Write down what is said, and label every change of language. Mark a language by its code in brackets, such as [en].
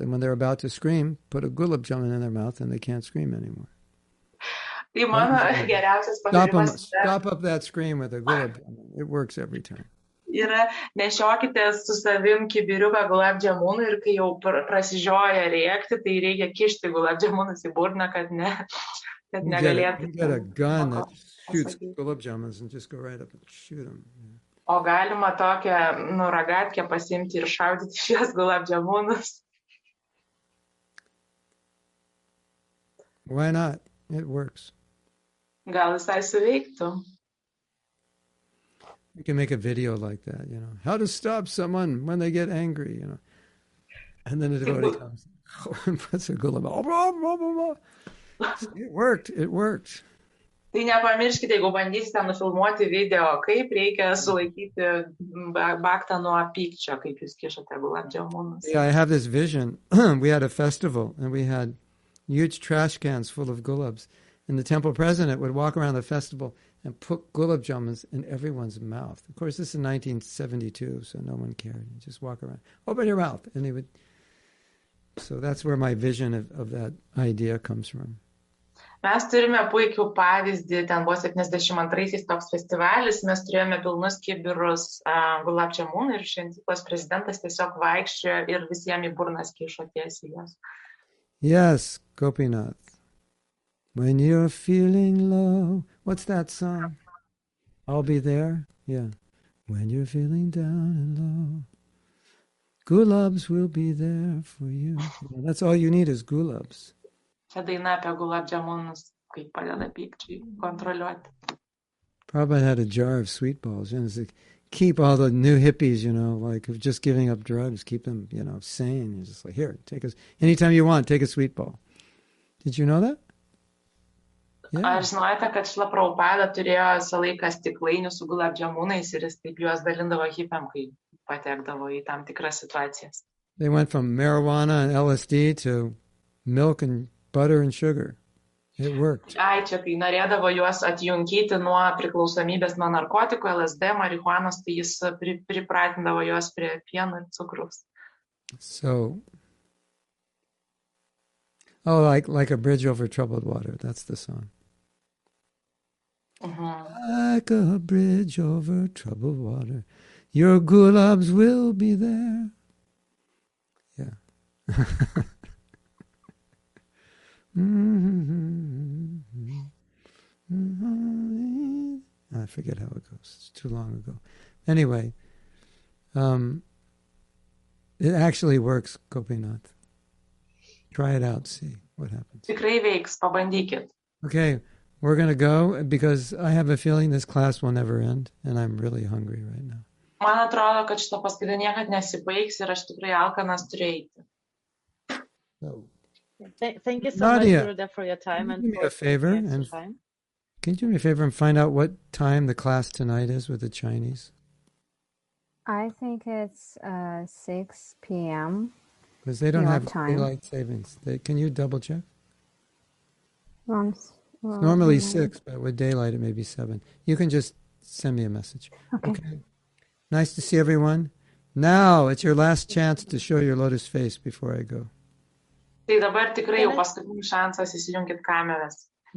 [en] And when they're about to scream, put a gulab jamun in their mouth and they can't scream anymore. [lt] Tai mano geriausias patarimas. [en] Stop up that scream with a gulab jamun. It works every time. [lt] Yra, nešiokite su savim kibiriuką gulab jamunų ir kai jau prasižioja rėkti, tai reikia kišti gulab jamunus į burną, kad ne, kad negalėtų. [en] You get a gun that shoots gulab jamuns and just go right up and shoot them. [lt] O galima tokią nuragatkę pasiimti ir šaudyti šias gulab jamunus. [en] Why not? It works. [lt] Gal visai suveiktų. [en] You can make a video like that, you know. How to stop someone when they get angry, you know. And then the devotee comes and puts a gulab. It worked. [lt] Tai nepamirškite, jeigu bandysite nufilmuoti video, kaip reikia sulaikyti baktą nuo pykčio, kaip jūs kišate gulab jamunus. [en] Yeah, I have this vision. We had a festival and we had huge trash cans full of gulabs. And the temple president would walk around the festival and put gulab jamuns in everyone's mouth. Of course, this is 1972, so no one cared. You just walk around, open your mouth. And he would. So that's where my vision of that idea comes from. [lt] Mes turime puikių pavyzdį, ten buvo 72-aisiais toks festivalis, mes turėjome pilnus kibirus gulab jamunų ir šventyklos prezidentas tiesiog vaikščiojo ir visiems į burnas kišo tiesiai jos. [en] Yes, Gopinath. When you're feeling low, what's that song? I'll be there. Yeah. When you're feeling down and low, gulabs will be there for you. Yeah, that's all you need is gulabs. [lt] Čia daina apie gulab jamunus, kaip padeda pykčiai kontroliuoti. [en] Prabhupada had a jar of sweet balls. You know, like, keep all the new hippies, you know, like just giving up drugs, keep them, you know, sane. He's just like, here, take us anytime you want, take a sweet ball. Did you know that? Yeah. [lt] Ar žinojate, kad Šila Prabhupada turėjo visą laiką stiklainių su gulab jamunais ir jis taip juos dalindavo hipiam, kai patekdavo į tam tikras situacijas. [en] They went from marijuana and LSD to milk and butter and sugar. It worked. [lt] Ai, čia kai norėdavo juos atjunkyti nuo priklausomybės nuo narkotikų, LSD, marihuanos, tai jis pripratindavo juos prie pieno ir cukrus. [en] So, oh, like a bridge over troubled water. That's the song. Like a bridge over troubled water, your gulabs will be there. Yeah. I forget how it goes. It's too long ago. Anyway, it actually works, Gopinath. Try it out, see what happens. [lt] Tikrai veiks, pabandykit. [en] Okay, we're going to go because I have a feeling this class will never end and I'm really hungry right now. [lt] Man atrodo, kad šito paskaita niekad nesibaigs ir aš tikrai alkanas turiu eiti. [en] So, thank you so Nadia, much, Rudev, for your time. Can you do me a favor? Can you do me a favor and find out what time the class tonight is with the Chinese? I think it's 6 p.m. Because they don't have time. Daylight savings. Can you double check? Well, normally 6, but with daylight it may be 7. You can just send me a message. Okay. Nice to see everyone. Now it's your last chance to show your lotus face before I go. [lt] Tai dabar tikrai jau paskutinis šansas, įsijunkit kameras.